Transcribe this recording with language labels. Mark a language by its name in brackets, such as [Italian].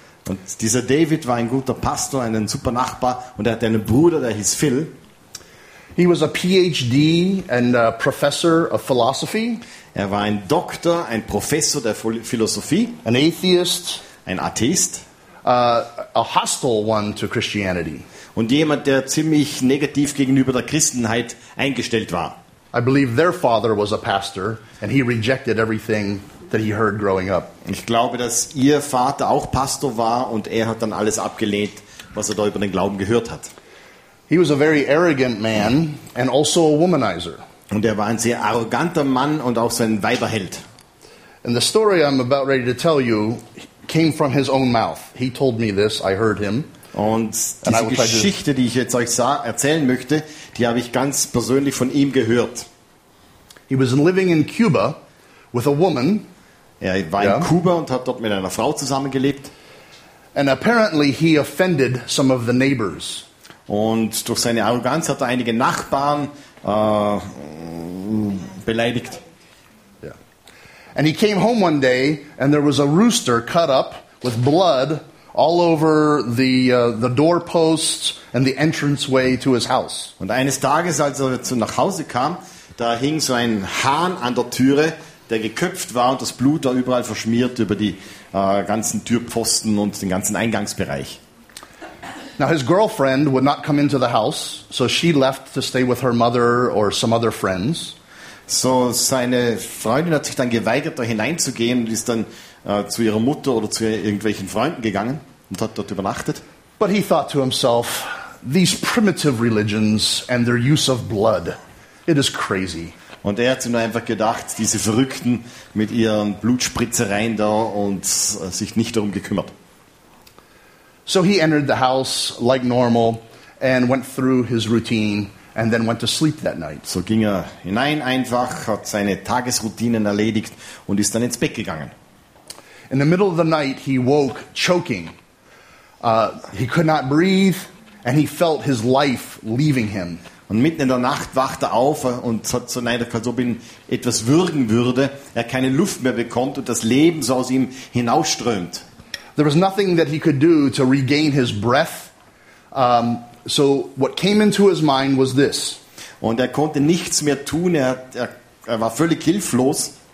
[German] Und dieser David war ein guter Pastor, ein super Nachbar, und er hatte einen Bruder, der hieß Phil. [English] He was a PhD and a professor of philosophy. [German] Er war ein Doktor, ein Professor der Philosophie. [English] An atheist. [German] Ein Atheist. [English] A hostile one to Christianity. [German] Und jemand, der ziemlich negativ gegenüber der Christenheit eingestellt war. [English] I believe their father was a pastor and he rejected everything that he heard growing up. [German] Ich glaube, dass ihr Vater auch Pastor war und er hat dann alles abgelehnt, was er da über den Glauben gehört hat. [English] He was a very arrogant man and also a womanizer. [German] Und er war ein sehr arroganter Mann und auch so ein Weiberheld. [English] And the story I'm about ready to tell you came from his own mouth. He told me this, I heard him. [German] Und diese Geschichte, die ich jetzt euch erzählen möchte, die habe ich ganz persönlich von ihm gehört. [English] He was living in Cuba with a woman. [German] Er war in Kuba und hat dort mit einer Frau zusammengelebt. [English] And apparently he offended some of the neighbors. [German] Und durch seine Arroganz hat er einige Nachbarn beleidigt. Yeah. [English] And he came home one day and there was a rooster cut up with blood all over the doorposts and the entranceway to his house. [German] Und eines Tages, als er nach Hause kam, da hing so ein Hahn an der Türe, der geköpft war, und das Blut war überall verschmiert über die ganzen Türpfosten und den ganzen Eingangsbereich. [English] Now his girlfriend would not come into the house, so she left to stay with her mother or some other friends. [German] So seine Freundin hat sich dann geweigert, da hineinzugehen, und ist dann zu ihrer Mutter oder zu irgendwelchen Freunden gegangen und hat dort übernachtet. [English] But he thought to himself, these primitive religions and their use of blood, it is crazy. [German] Und er hat sich nur einfach gedacht, diese Verrückten mit ihren Blutspritzereien da, und sich nicht darum gekümmert. [English] So he entered the house like normal and went through his routine and then went to sleep that night. [German] So ging er hinein einfach, hat seine Tagesroutinen erledigt und ist dann ins Bett gegangen. [English] In the middle of the night, he woke choking. He could not breathe, and he felt his life leaving him. [German] Und mitten in der Nacht wacht er auf und sagt so, nein, als ob ihn etwas würgen würde, er keine Luft mehr bekommt und das Leben so aus ihm hinausströmt. [English] There was nothing that he could do to regain his breath. So what came into his mind was this. [German] Und er konnte nichts mehr tun, er war völlig hilflos.